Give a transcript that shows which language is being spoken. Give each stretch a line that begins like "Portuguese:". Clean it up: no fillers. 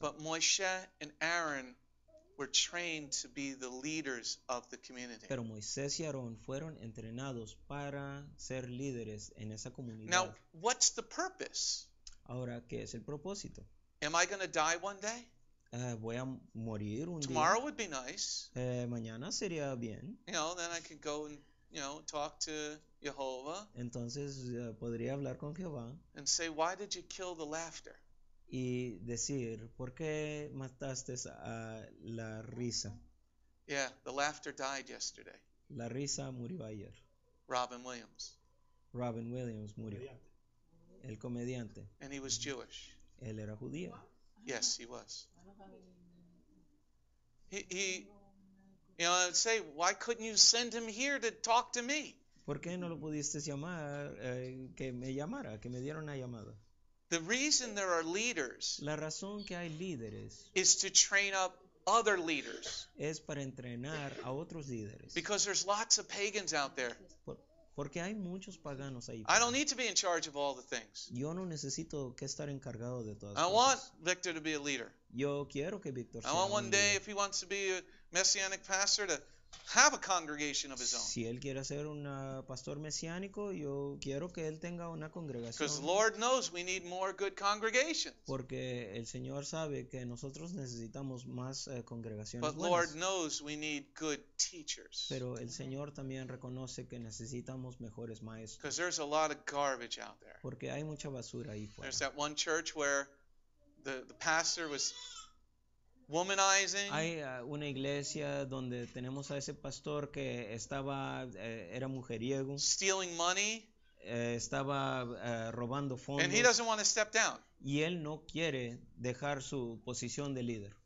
English: But Moshe and Aaron were trained to be the leaders of the community.
Spanish: Pero Moisés y Aarón fueron entrenados para ser líderes en esa comunidad.
English: Now, what's the purpose?
Spanish: Ahora, ¿qué es el propósito?
English: Am I going to die one day?
Spanish: Voy a morir un
English: tomorrow
Spanish: día.
English: Would be nice.
Spanish: Mañana sería bien.
English: You know, then I could go and, you know, talk to Jehovah.
Spanish: Entonces, podría hablar con Jehová.
English: And say, why did you kill the laughter?
Spanish: Y decir, ¿por qué mataste a la risa?
English: Yeah, the laughter died yesterday.
Spanish: La risa murió ayer.
English: Robin Williams.
Spanish: Robin Williams murió. El comediante.
English: And he was Jewish.
Spanish: Él era judío.
English: Yes, he was. He, you know, I'd say, why couldn't you send him here to talk to me?
Spanish: ¿Por qué no lo pudiste llamar, que me llamara, que me diera una llamada?
English: The reason there are leaders,
Spanish: la razón que hay líderes,
English: is to train up other leaders.
Spanish: Es para entrenar a otros líderes.
English: Because there's lots of pagans out there.
Spanish: Porque hay muchos paganos ahí.
English: I don't need to be in charge of all the things.
Spanish: Yo no necesito que estar encargado de todas las cosas.
English: I want Victor to be a leader.
Spanish: Yo quiero que Victor sea un líder.
English: I want one day, if he wants to be a messianic pastor, to have a congregation of his own.
Spanish: Si él quiere ser un pastor mesiánico, yo quiero que él tenga una congregación.
English: Because the Lord knows we need more good congregations.
Spanish: Porque el Señor sabe que nosotros necesitamos más congregaciones buenas.
English: But Lord knows we need good teachers.
Spanish: Pero el Señor también reconoce que necesitamos mejores maestros.
English: Because there's a lot of garbage out there.
Spanish: Porque hay mucha basura ahí fuera.
English: There's that one church where the pastor was womanizing.
Spanish: Hay una iglesia donde tenemos a ese pastor que estaba, era mujeriego.
English: Stealing money.
Spanish: Estaba robando fondos.
English: And he doesn't want to step down.
Spanish: Y él no quiere dejar su posición de líder.